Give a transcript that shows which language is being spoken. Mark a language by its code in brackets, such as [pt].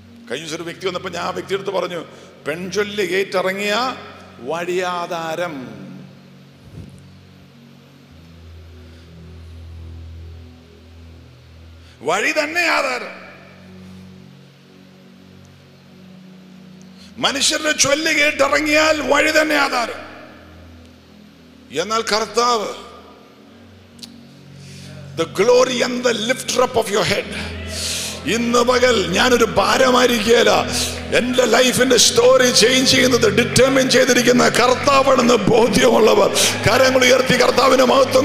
[ml] കഴിഞ്ഞ ഒരു വ്യക്തി വന്നപ്പോ ഞാൻ ആ വ്യക്തി എടുത്ത് പറഞ്ഞു, പെൺചൊല്ല് കേറ്ററങ്ങിയ വഴിയാധാരം. വഴി തന്നെ ആധാരം. മനുഷ്യരുടെ ചൊല്ല് കേട്ടിറങ്ങിയാൽ വഴി തന്നെ ആധാരം. എന്നാൽ കർത്താവ്, [en] the glory and the lifter up of your head, [ml] ഇന്ന് പകൽ ഞാനൊരു ഭാരമായിരിക്കുകയല്ല, എന്റെ ലൈഫിന്റെ സ്റ്റോറി ചേഞ്ച് ചെയ്യുന്നത് ഡിറ്റർമിൻ ചെയ്തിരിക്കുന്ന കർത്താവാണെന്ന് ബോധ്യമുള്ളവർ കരങ്ങൾ ഉയർത്തി കർത്താവിന് മഹത്വം